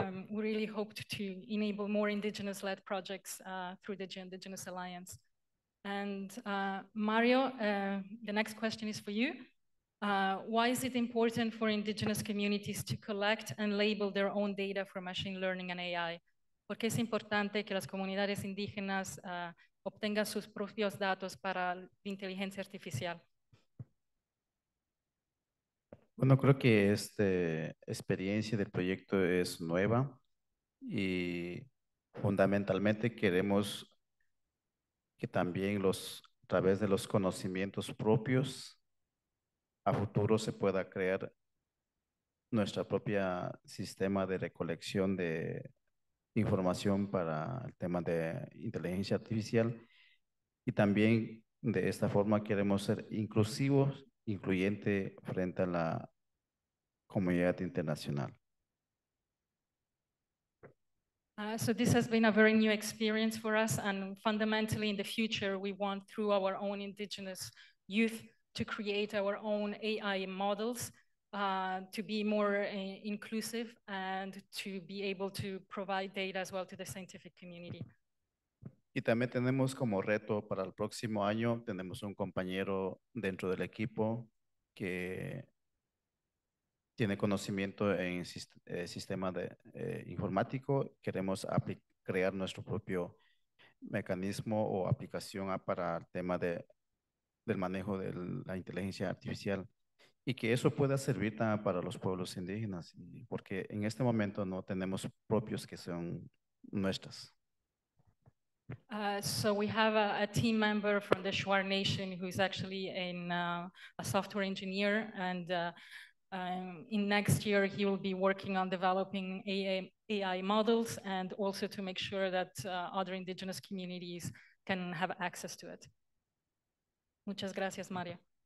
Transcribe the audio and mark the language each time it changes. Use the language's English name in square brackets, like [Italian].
[English] We really hoped to enable more indigenous-led projects through the Indigenous Alliance. And Mario, the next question is for you. Why is it important for indigenous communities to collect and label their own data for machine learning and AI? [Spanish] ¿Por qué es importante que las comunidades indígenas obtengan sus propios datos para la inteligencia artificial? Bueno, creo que esta experiencia del proyecto es nueva y fundamentalmente queremos que también los, a través de los conocimientos propios, a futuro se pueda crear nuestra propia sistema de recolección de información para el tema de inteligencia artificial. Y también de esta forma queremos ser inclusivos, incluyente frente a la comunidad internacional. [English] So this has been a very new experience for us, and fundamentally in the future we want, through our own indigenous youth, to create our own AI models to be more inclusive and to be able to provide data as well to the scientific community. [Spanish] Y también tenemos como reto para el próximo año, tenemos un compañero dentro del equipo que tiene conocimiento en sistema de informático. Queremos crear nuestro propio mecanismo o aplicación para el tema del manejo de la inteligencia artificial, y que eso pueda servir también para los pueblos indígenas, porque en este momento no tenemos propios que son nuestras. [English] So we have a team member from the Shuar Nation who is actually in a software engineer, and in next year he will be working on developing AI models, and also to make sure that other indigenous communities can have access to it. [Spanish] Muchas gracias, Mario.